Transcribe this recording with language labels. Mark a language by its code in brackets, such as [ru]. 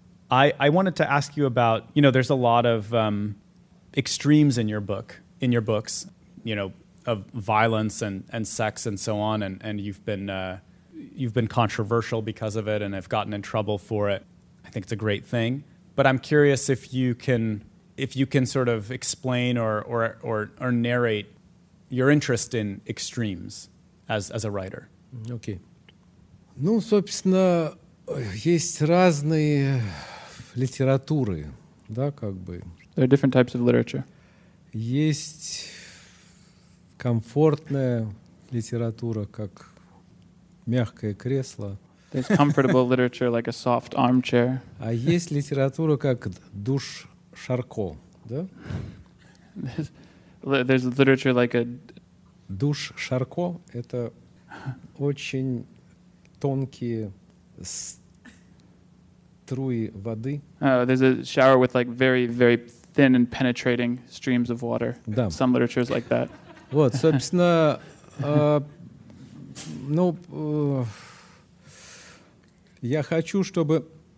[en] I wanted to ask you about, you know, there's a lot of extremes in your books, you know, of violence and sex and so on, and you've been controversial because of it and have gotten in trouble for it. I think it's a great thing. But I'm curious if you can sort of explain or narrate your interest in extremes as a writer. [ru] Okay. Ну, собственно, Есть разные литературы, да, как бы. [en] There are different types of literature. [ru] Есть комфортная литература, как мягкое кресло. [en] There's comfortable literature, like a soft armchair. [ru] А есть литература, как душ Шарко, да? [en] There's literature like a... [ru] Душ Шарко — это очень тонкие струи воды. [en] There's a shower with like very, very thin and penetrating streams of water. [ru] Да. [en] Some literature is like that. [ru] Вот, собственно, ну, я хочу, чтобы...